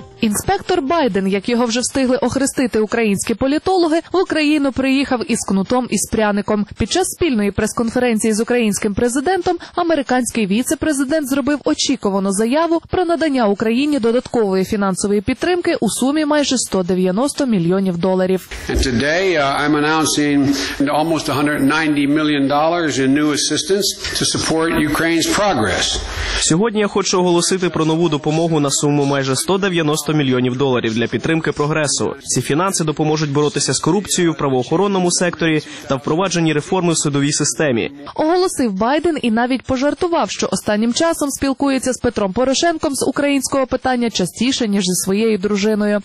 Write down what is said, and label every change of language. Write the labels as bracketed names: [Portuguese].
[Ukrainian] Інспектор Байден, як його вже встигли охрестити українські політологи, в Україну приїхав із кнутом і з пряником. Під час спільної прес-конференції з українським президентом американський віце-президент зробив очікувану заяву про надання Україні додаткової фінансової підтримки у сумі майже 190 мільйонів доларів. [English] Today, I'm announcing almost $190 million in new assistance to support Ukraine's progress. [Ukrainian] Сьогодні я хочу оголосити про нову допомогу на суму майже 190 мільйонів доларів для підтримки прогресу. Ці фінанси допоможуть боротися з корупцією в правоохоронному секторі та впровадженні реформи в судовій системі. Оголосив Байден і навіть пожартував, що останнім часом спілкується з Петром Порошенком з українського питання частіше, ніж зі своєю дружиною.